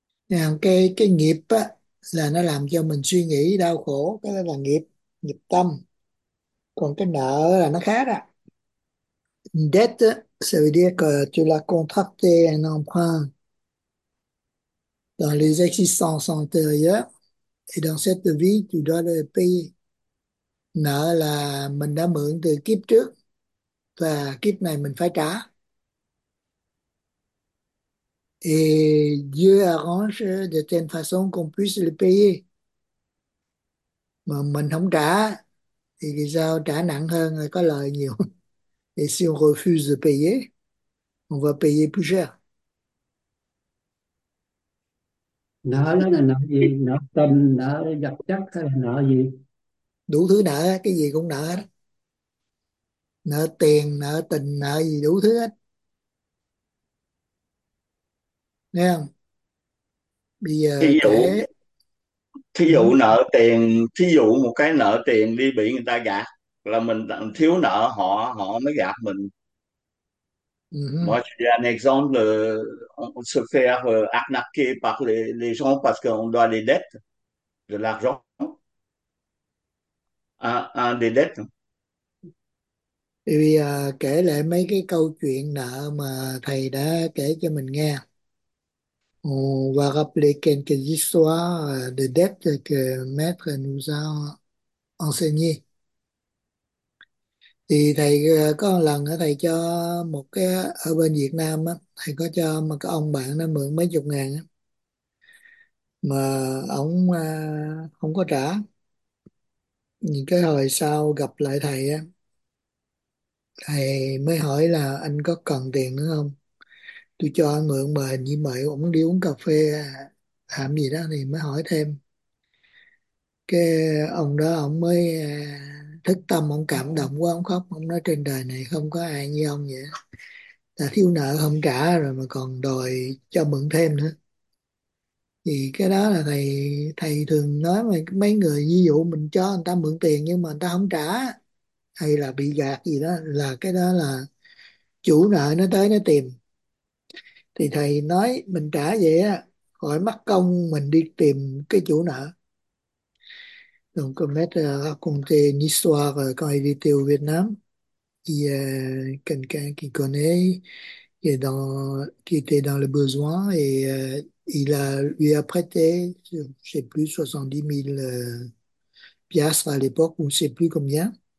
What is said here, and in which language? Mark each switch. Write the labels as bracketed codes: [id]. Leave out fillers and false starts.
[vi] Et cái nghiệp á, là nó làm cho mình suy nghĩ đau khổ, cái đó là nghiệp, nghiệp tâm. Còn cái nợ là nó khác đó. [fr] Debt, ça veut dire que tu l'as contracté un emprunt dans les existences antérieures et dans cette vie, tu dois le payer. [vi] Nợ là mình đã mượn từ kiếp trước và kiếp này mình phải trả. [fr] Et Dieu arrange de telle façon qu'on puisse le payer. [vi] Mà mình không trả thì sao trả nặng hơn rồi có lời nhiều. [fr] Et si on refuse de payer, on va payer plus cher. [vi] Nợ đó là nợ gì? Nợ tình, nợ vật chất hay là nợ gì? Đủ thứ nợ, cái gì cũng nợ hết. Nợ tiền, nợ tình, nợ gì đủ thứ hết. Nghe không? Bây giờ kể. Thí dụ nợ tiền, thí dụ một cái nợ tiền đi bị người ta gạt là mình thiếu nợ họ, họ mới gạt mình. [fr] Moi, j'ai un exemple, on se fait arnaquer par les gens parce qu'on doit des dettes, de l'argent, des dettes. [vi] Bây giờ kể lại mấy cái câu chuyện nợ mà thầy đã kể cho mình nghe. [fr] On va rappeler quelques histoires de dettes que maître nous a enseignées. [vi] Thì thầy có một lần thầy cho một cái ở bên Việt Nam á, thầy có cho một cái ông bạn nó mượn mấy chục ngàn á, mà ông không có trả. Những cái hồi sau gặp lại thầy á, thầy mới hỏi là anh có cần tiền nữa không? Tôi cho anh mượn mời như mời ông đi uống cà phê làm gì đó thì mới hỏi thêm. Cái ông đó ông mới thức tâm, ông cảm động quá ông khóc, ông nói trên đời này không có ai như ông vậy, ta thiếu nợ không trả rồi mà còn đòi cho mượn thêm nữa. Thì cái đó là thầy thầy thường nói mà mấy người, ví dụ mình cho người ta mượn tiền nhưng mà người ta không trả hay là bị gạt gì đó là cái đó là chủ nợ nó tới nó tìm. Thì thầy nói mình trả vậy á, khỏi mất công mình đi tìm cái chủ nợ. [fr] Donc, maître a raconté une histoire quand il était au Vietnam. Il y a quelqu'un qui connaît, qui était dans le besoin et lui a prêté, je ne sais plus, 70 000 piastres à l'époque, ou je ne sais plus combien.